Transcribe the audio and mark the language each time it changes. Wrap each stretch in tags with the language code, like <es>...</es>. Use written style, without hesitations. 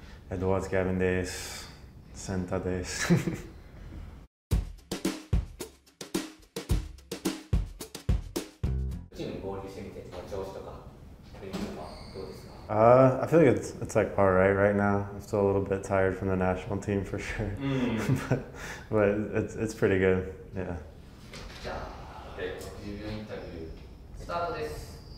<ja>エドワーズ・ギャビンです。センターです。チーム合流してみて、調子とか、どうですか？</ja> <en>I feel like it's like all right right now. I'm still a little bit tired from the national team for sure. but it's pretty good. Yeah.</en> <ja>じゃあ、で、自分インタビュー、スタートです。</ja>